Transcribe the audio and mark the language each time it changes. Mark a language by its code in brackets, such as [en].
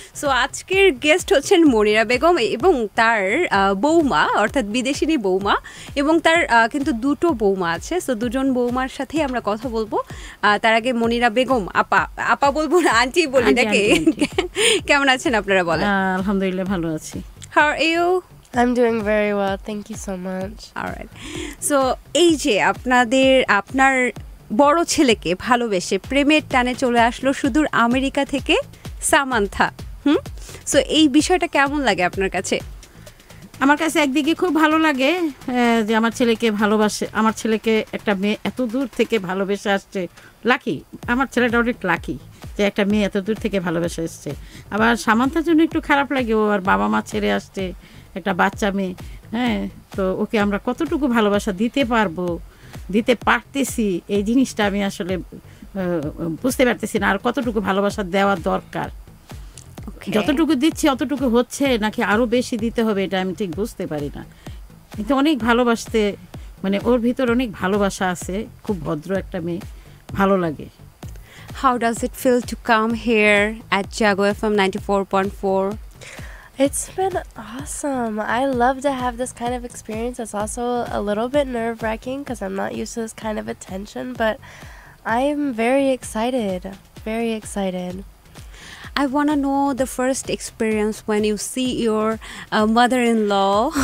[bn] So আজকের guest হচ্ছেন মনিরা বেগম এবং তার বৌমা, অর্থাৎ বিদেশিনী বৌমা, এবং তার কিন্তু দুটো বৌমা আছে। সো দুজন বৌমার সাথেই আমরা কথা বলবো। তার আগে মনিরা বেগম, আপা আপা বলবো না, আন্টি বলি নাকি, কেমন আছেন আপনারা বলেন? আলহামদুলিল্লাহ ভালো আছি। [en] How are you? I'm doing very well, thank you so much. All right, so [bn] এই যে আপনাদের, আপনার বড় ছেলেকে ভালোবেসে প্রেমের টানে চলে আসলো সুদূর আমেরিকা থেকে সামান্থা, সো এই বিষয়টা কেমন লাগে আপনার কাছে? আমার কাছে একদিকে খুব ভালো লাগে যে আমার ছেলেকে ভালোবাসে, আমার ছেলেকে একটা মেয়ে এত দূর থেকে ভালোবেসে আসছে। লাকি, আমার ছেলেটা অনেক লাকি যে একটা মেয়ে এত দূর থেকে ভালোবেসে আসছে। আবার সামান্থার জন্য একটু খারাপ লাগে, ও আর বাবা মা ছেড়ে আসছে, একটা বাচ্চা মেয়ে। হ্যাঁ, তো ওকে আমরা কতটুকু ভালোবাসা দিতে পারবো, দিতে পারতেছি, এই জিনিসটা আমি আসলে বুঝতে পারতেছি না। আর কতটুকু ভালোবাসা দেওয়া দরকার, যতটুকু দিচ্ছি অতটুকু হচ্ছে নাকি আরও বেশি দিতে হবে, এটা আমি ঠিক বুঝতে পারি না। কিন্তু অনেক ভালোবাসতে, মানে ওর ভিতর অনেক ভালোবাসা আছে, খুব ভদ্র একটা মেয়ে, ভালো লাগে। [en] How does it feel to come here at Jago FM 94.4? It's been awesome. I love to have this kind of experience. It's also a little bit nerve-wracking because I'm not used to this kind of attention, but I'm very excited. Very excited. I want to know the first experience when you see your mother-in-law.